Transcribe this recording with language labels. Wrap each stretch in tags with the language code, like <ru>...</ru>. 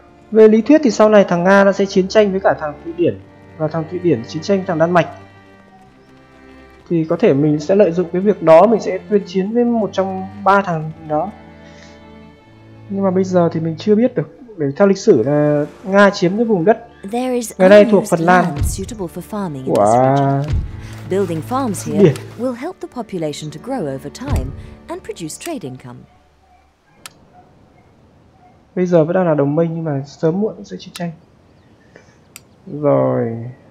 <vi>Về lý thuyết thì sau này thằng Nga nó sẽ chiến tranh với cả thằng Thụy Điển. Và thằng Thụy Điển chiến tranh với thằng Đan Mạch. Thì có thể mình sẽ lợi dụng cái việc đó, mình sẽ tuyên chiến với một trong ba thằng đó. Nhưng mà bây giờ thì mình chưa biết được. Bởi theo lịch sử là Nga chiếm cái vùng đất ngày nay thuộc Phần Lan. Của</vi> <en>building farms here will help the population to grow over time and produce trade income.</en> <vi>Bây giờ vẫn đang là đồng minh nhưng mà sớm muộn sẽ chiến tranh. Rồi.</vi>